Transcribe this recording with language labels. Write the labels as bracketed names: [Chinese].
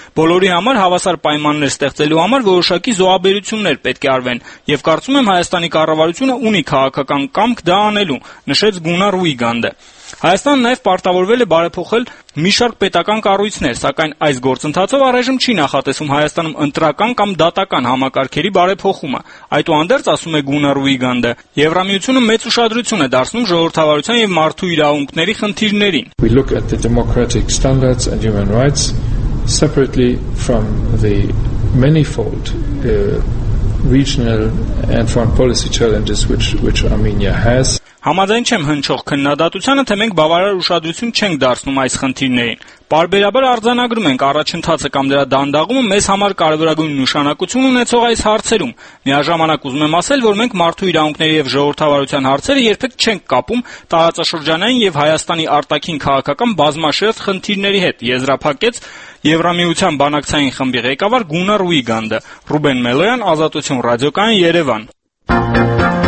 [Armenian] Բոլորի համար հավասար պայմաններ ստեղծելու համար որոշակի զոհաբերություններ պետք է արվեն, եւ կարծում եմ Հայաստանի կառավարությունը ունի քաղաքական կամք դա անելու, նշեց Գունար Ուիգանդը։ Հայաստանը նաև պարտավորվել է բարեփոխել մի շարք պետական կառույցներ, սակայն այս գործընթացով առայժմ չի նախատեսում Հայաստանում ընտրական կամ դատական համակարգերի բարեփոխումը։ Այդուհանդերձ, ասում է Գունար Ուիգանդը, Եվրամիությունը մեծ ուշադրություն է դարձնում ժողովրդավարության եւ մարդու իրավունքների խնդիրներին։ [English] We look at the democratic standards and human rights separately from the manifold regional and foreign policy challenges which Armenia has. [Armenian] Համաձայն չեմ հնչող քննադատությանը, թե մենք բավարար ուշադրություն չենք դարձնում այս խնդիրներին։ Պարբերաբար արձանագրում ենք առաջընթացը կամ դրա դանդաղումը մեզ համար կարևորագույն նշանակություն ունեցող այս հարցերում։ Միաժամանակ ուզում եմ ասել, որ մենք մարդու իրավունքների եւ ժողովրդավարության հարցերը երբեք չենք կապում տարածաշրջանային եւ Հայաստանի արտաքին քաղաքական բազմաշերտ խնդիրների հետ, եզրափակեց Եվրամիության բանակցային խմբի ղեկավար Գունար Ուիգանդը։ Ռուբեն Մելոյան, Ազատություն ռադիոկայան, Երևան։